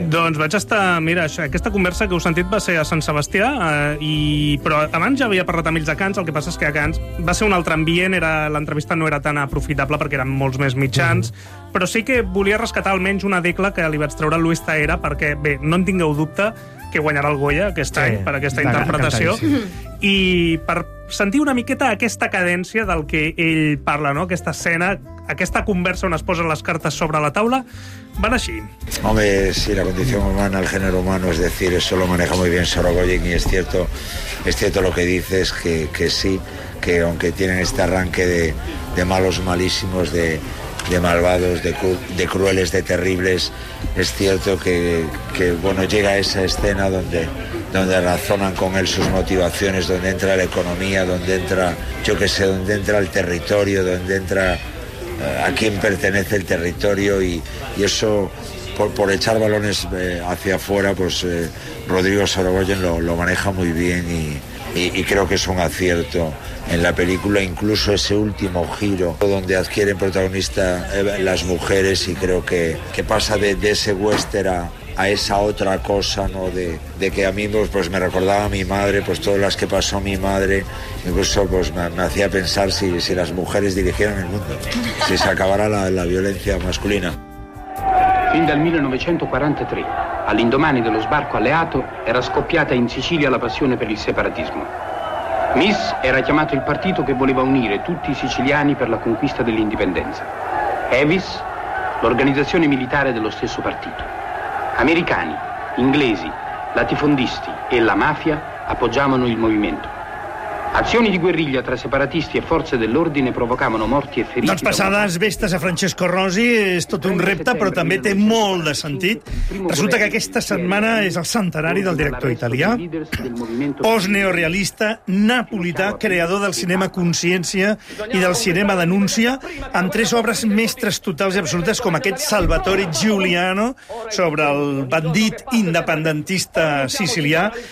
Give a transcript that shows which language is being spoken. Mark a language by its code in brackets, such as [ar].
[ca] Doncs vaig estar, mira, aquesta conversa que heu sentit va ser a Sant Sebastià, però abans ja havia parlat amb ells a Cannes, el que passa és que a Cannes va ser un altre ambient, l'entrevista no era tan aprofitable perquè eren molts més mitjans, però sí que volia rescatar almenys una decla que li vaig treure a Luis Zahera, perquè, bé, no en tingueu dubte que guanyarà el Goya aquest any per aquesta interpretació. I per sentir una miqueta aquesta cadència del que ell parla, no? Aquesta escena, aquesta conversa on es posen les cartes sobre la taula, van així. [es] Hombre, sí, la condición humana, el género humano, es decir, eso lo maneja muy bien Sorogoyen, y es cierto lo que dices, es que sí, que aunque tienen este arranque de malos malísimos, de malvados, de crueles, de terribles, es cierto que bueno, llega esa escena donde razonan con él sus motivaciones, donde entra la economía, donde entra, yo qué sé, donde entra el territorio, donde entra a quién pertenece el territorio, y eso, por echar balones hacia afuera, pues Rodrigo Sorogoyen lo maneja muy bien, y creo que es un acierto en la película, incluso ese último giro donde adquieren protagonista las mujeres, y creo que pasa de ese western a esa otra cosa, ¿no? De que a mí pues me recordaba a mi madre, pues todas las que pasó mi madre, incluso pues me hacía pensar si las mujeres dirigieran el mundo, si se acabara la violencia masculina. [it] Fin del 1943, all'indomani dello sbarco alleato, era scoppiata in Sicilia la passione per il separatismo. MIS era chiamato il partito che voleva unire tutti i siciliani per la conquista dell'indipendenza. EVIS, l'organizzazione militare dello stesso partito. Americani, inglesi, latifondisti e la mafia appoggiavano il movimento. Azioni di guerriglia tra separatisti e forze dell'ordine provocavano morti e feriti. [ca] Doncs passades vestes a Francesco Rosi, és tot un repte, però també té molt de sentit. Resulta que aquesta setmana és el centenari del director italià, postneorealista, napolità, creador del cinema consciència i del cinema denúncia, amb tres obres mestres totals i absolutes, com aquest Salvatore Giuliano, sobre el bandit independentista sicilià,